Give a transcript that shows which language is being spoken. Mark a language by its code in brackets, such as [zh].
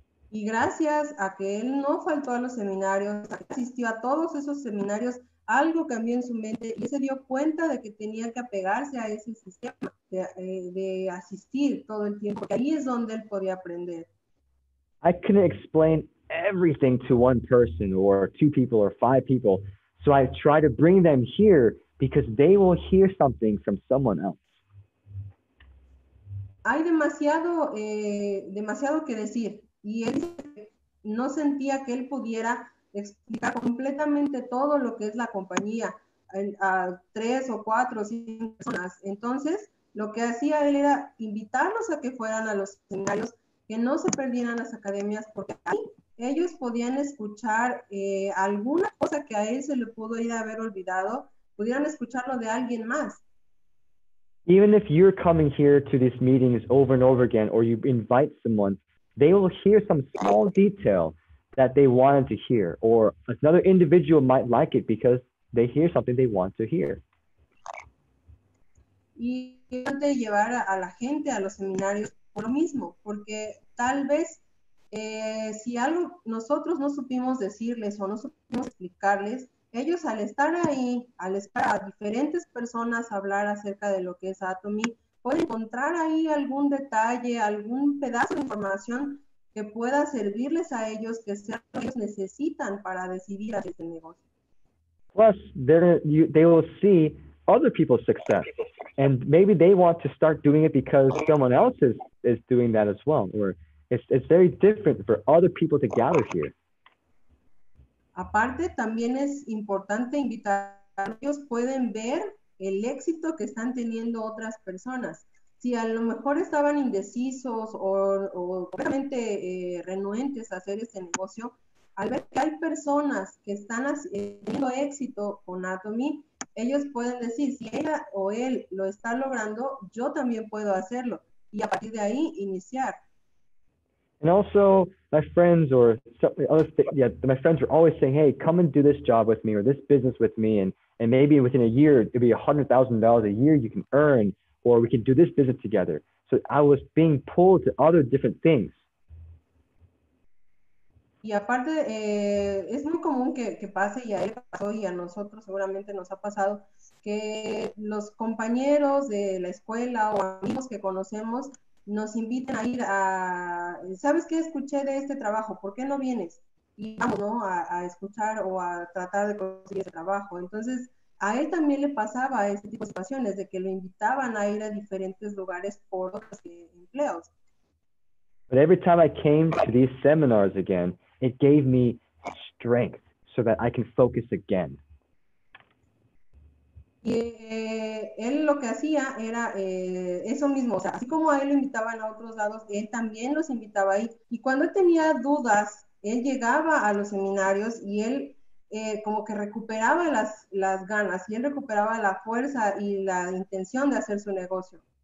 [es] Y gracias a que él no faltó a los seminarios, asistió a todos esos seminarios, algo cambió en su mente y se dio cuenta de que tenía que apegarse a ese sistema de asistir todo el tiempo. Ahí es donde él podía aprender. [en] I can explain everything to one person or two people or five people. So I try to bring them here because they will hear something from someone else. [es] Hay demasiado, demasiado que decir. Y él no sentía que él pudiera explicar completamente todo lo que es la compañía a tres o cuatro o cinco personas. Entonces, lo que hacía él era invitarlos a que fueran a los seminarios, que no se perdieran las academias, porque ahí ellos podían escuchar alguna cosa que a él se le pudo ir a haber olvidado, pudieran escucharlo de alguien más. [en] Even if you're coming here to these meetings over and over again, or you invite someone, they will hear some small detail that they wanted to hear, or another individual might like it because they hear something they want to hear. [es] Y de llevar a la gente a los seminarios por lo mismo, porque tal vez si algo nosotros no supimos decirles o no supimos explicarles, ellos al estar ahí, al estar a diferentes personas hablar acerca de lo que es Atomy, pueden encontrar ahí algún detalle, algún pedazo de información que pueda servirles a ellos, que sea lo que ellos necesitan para decidir hacer este negocio. [en] Plus, they will see other people's success, and maybe they want to start doing it because someone else is doing that as well, or it's very different for other people to gather here. [es] Aparte, también es importante invitar, ellos pueden ver el éxito que están teniendo otras personas. Si a lo mejor estaban indecisos o completamente renuentes a hacer este negocio, al ver que hay personas que están teniendo éxito con Atomy, ellos pueden decir, si ella o él lo está logrando, yo también puedo hacerlo. Y a partir de ahí, iniciar. [en] And also, my friends are always saying, hey, come and do this job with me or this business with me, and maybe within a year, it'd be $100,000 a year you can earn, or we can do this business together. So I was being pulled to other different things. [es] Y aparte, es muy común que pase, y a él pasó, y a nosotros seguramente nos ha pasado, que los compañeros de la escuela o amigos que conocemos nos inviten a ir a, ¿sabes qué? Escuché de este trabajo, ¿por qué no vienes? Y vamos, ¿no? A escuchar o a tratar de conseguir ese trabajo. Entonces, a él también le pasaba ese tipo de situaciones, de que lo invitaban a ir a diferentes lugares por otros empleos. [en] But every time I came to these seminars again, it gave me strength so that I can focus again. [es] Y él lo que hacía era eso mismo, o sea, así como a él lo invitaban a otros lados, él también los invitaba ahí. Y cuando él tenía dudas, él llegaba a los seminarios y él como que recuperaba las ganas, y él recuperaba la fuerza y la intención de hacer su negocio.